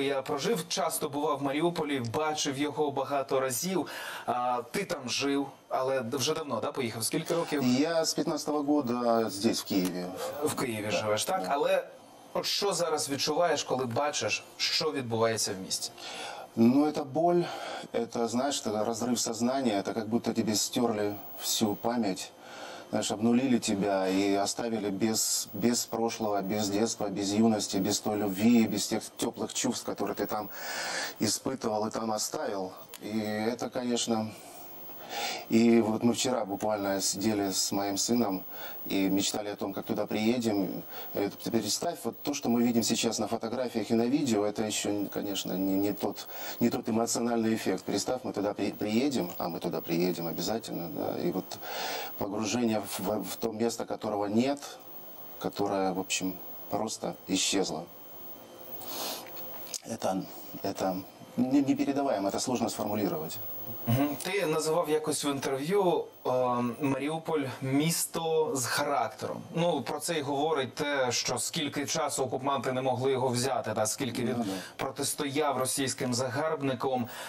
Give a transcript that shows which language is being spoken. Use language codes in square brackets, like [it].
[uk] Я прожив, часто бував в Маріуполі, бачив його багато разів. Ти там жив, але вже давно, да, поїхав? Скільки років? Я з 15-го року [ru] здесь, [uk] в Києві. В Києві, так, живеш, так? Да. Але от що зараз відчуваєш, коли бачиш, що відбувається в місті? [ru] Ну, это боль, это, знаешь, это разрыв сознания, это как будто тебе стерли всю память, знаешь, обнулили тебя и оставили без прошлого, без детства, без юности, без той любви, без тех теплых чувств, которые ты там испытывал и там оставил. И это, конечно... И вот мы вчера буквально сидели с моим сыном и мечтали о том, как туда приедем. Ты представь, вот то, что мы видим сейчас на фотографиях и на видео, это еще, конечно, не тот эмоциональный эффект. Представь, мы туда приедем, а мы туда приедем обязательно, да, и вот погружение в то место, которого нет, которое, в общем, просто исчезло. Это непередаваемо, это сложно сформулировать. [uk] Ти називав якось в інтерв'ю Маріуполь місто з характером. Ну, про це й говорить те, що скільки часу окупанти не могли його взяти, та скільки він протистояв російським загарбникам.